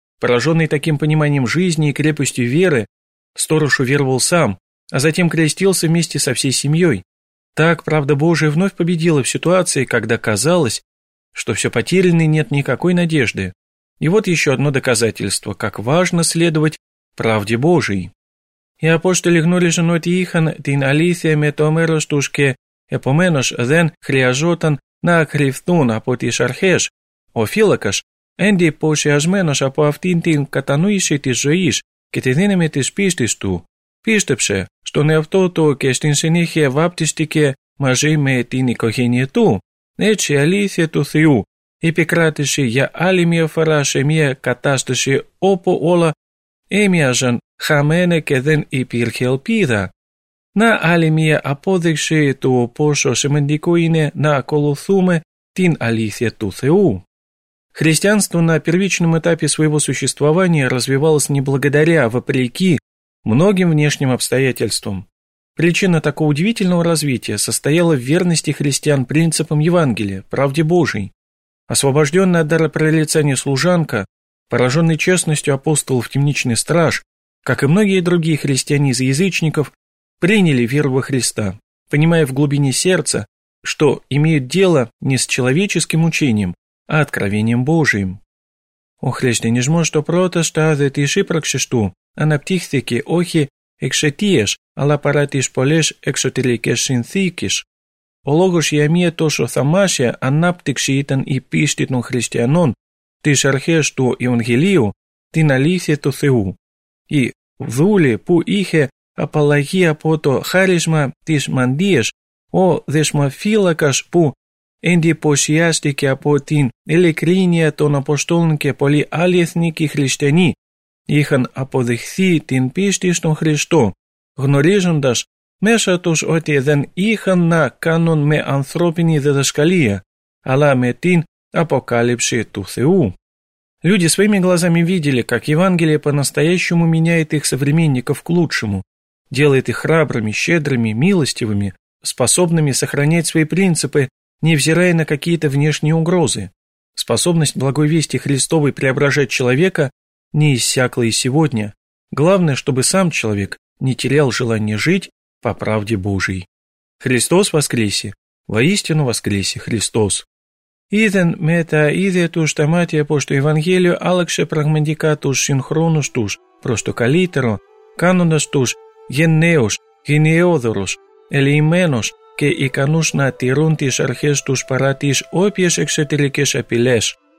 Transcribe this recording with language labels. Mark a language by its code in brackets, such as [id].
[ru] Пораженный таким пониманием жизни и крепостью веры, сторож уверовал сам, а затем крестился вместе со всей семьей. Так правда Божия вновь победила в ситуации, когда казалось, что все потеряно и нет никакой надежды. И вот еще одно доказательство, как важно следовать правде Божией. [el] Οι Απόστολοι γνώριζαν ότι είχαν την αλήθεια με το μέρος τους και επομένως δεν χρειαζόταν να κρυφθούν από τις αρχές. Ο φύλακας, εντυπωσιασμένος από αυτήν την κατανόηση της ζωής και τη δύναμη της πίστης του, πίστεψε στον εαυτό του και στην συνέχεια βάπτιστηκε μαζί με την οικογένεια του. Έτσι η αλήθεια του Θεού επικράτησε για άλλη μια φορά σε μια κατάσταση όπου όλα έμοιαζαν χαμένα και δεν υπήρχε ελπίδα. Να άλλη μια απόδειξη του πόσο σημαντικό είναι να ακολουθούμε την αλήθεια του Θεού. [ru] Христианство на первичном этапе своего существования развивалось не благодаря, а вопреки многим внешним обстоятельствам. Причина такого удивительного развития состояла в верности христиан принципам Евангелия, правде Божией. Освобожденный от дара прорицания служанка, пораженный честностью апостол в темничный страж, как и многие другие христиане из язычников, приняли веру во Христа, понимая в глубине сердца, что имеют дело не с человеческим учением, а откровением Божиим. [el] Ο χριστιανισμός [ru] может [el] το πρώτο στάδιο της ύπαρξης του αναπτύχθηκε όχι εξαιτίας, αλλά παρά τις πολλές εξωτερικές συνθήκες. Ο λόγος για μια τόσο θαυμάσια ανάπτυξη ήταν η πίστη των χριστιανών, τις αρχές του Ευαγγελίου, την αλήθεια του Θεού. Η δούλη που είχε απαλλαγή από το χάρισμα της μαντίας, ο δεσμοφύλακας που εντυπωσιάστηκε από την ειλικρίνεια των Αποστόλων και πολλοί άλλοι εθνικοί χριστιανοί είχαν αποδειχθεί την πίστη στον Χριστό, γνωρίζοντας μέσα τους ότι δεν είχαν να κάνουν με ανθρώπινη διδασκαλία, αλλά με την αποκάλυψη του Θεού. [ru] Люди своими глазами видели, как Евангелие по-настоящему меняет их современников к лучшему, делает их храбрыми, щедрыми, милостивыми, способными сохранять свои принципы, невзирая на какие-то внешние угрозы. Способность благой вести Христовой преображать человека не иссякла и сегодня. Главное, чтобы сам человек не терял желание жить по правде Божией. Христос воскресе! Воистину воскресе Христос! [el] Ήδεν με τα ίδια τους τα μάτια πως το Ευαγγέλιο άλλαξε πραγματικά τους συγχρόνους τους προς το καλύτερο, κάνοντας τους γενναίους, γενναιόδωρους, ελεημένους και ικανούς να τηρούν τις αρχές τους παρά τις όποιες εξωτερικές απειλές.